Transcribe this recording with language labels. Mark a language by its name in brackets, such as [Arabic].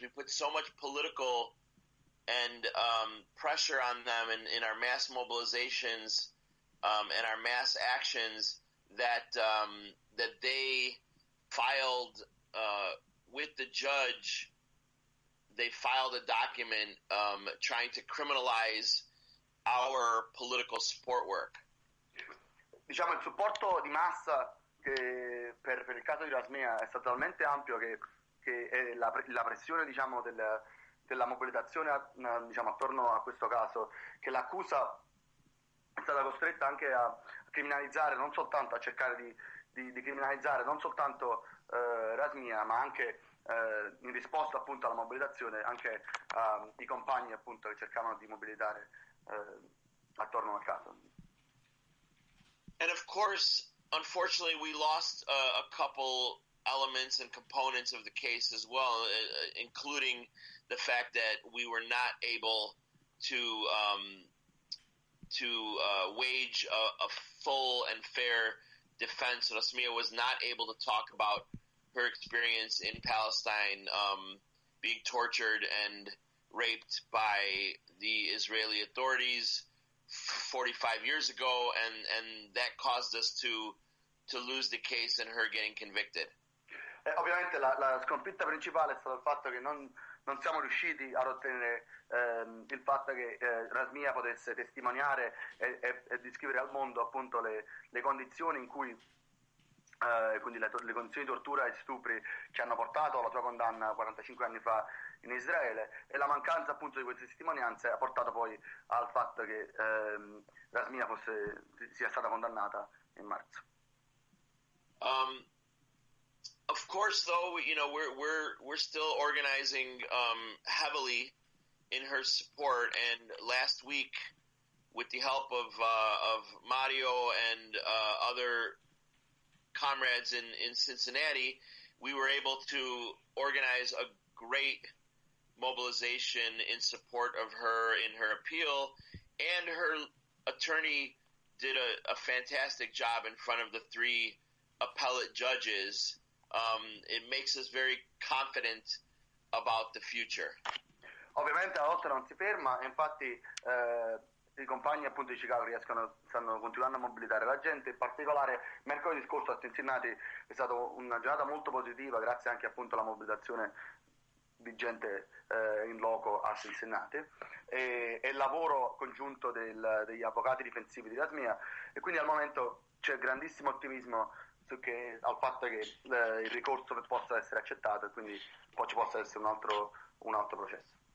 [English] We put so much political and pressure on them in our mass mobilizations and our mass actions that they filed with the judge. They filed a document trying to criminalize our political support work. [Italian] Diciamo, il supporto di massa che per il caso di Rasmina è stato talmente ampio che è la pressione, diciamo, della mobilitazione, diciamo, attorno a questo caso, che l'accusa è stata costretta anche a criminalizzare, non soltanto a cercare di criminalizzare non soltanto Rasmina, ma anche in risposta, appunto, alla mobilitazione, anche i compagni, appunto, che cercavano di mobilitare attorno al caso. [English] And of course, unfortunately, we lost a couple elements and components of the case as well, including the fact that we were not able to wage a full and fair defense. Rasmina was not able to talk about her experience in Palestine, being tortured and raped by the Israeli authorities 45 years ago, and that caused us to lose the case and her getting convicted. [Italian] Ovviamente la sconfitta principale è stato il fatto che non siamo riusciti ad ottenere il fatto che Rasmina potesse testimoniare e descrivere al mondo, appunto, le condizioni in cui quindi le condizioni di tortura e stupri che hanno portato alla sua condanna 45 anni fa in Israele, e la mancanza, appunto, di queste testimonianze ha portato poi al fatto che Rasmina sia stata condannata in marzo. [English] Of course, though, you know, we're still organizing heavily in her support, and last week, with the help of Mario and other comrades in Cincinnati, we were able to organize a great mobilization in support of her in her appeal, and her attorney did a fantastic job in front of the three appellate judges. It makes us very confident about the future. [Italian] Ovviamente la lotta non si ferma, infatti i compagni, appunto, di Chicago stanno continuando a mobilitare la gente. In particolare, mercoledì scorso a Cincinnati è stata una giornata molto positiva, grazie anche, appunto, alla mobilitazione di gente in loco a Cincinnati e il lavoro congiunto degli avvocati difensivi di Rasmina, e quindi al momento c'è grandissimo ottimismo al fatto che il ricorso possa essere accettato e quindi poi ci possa essere un altro processo.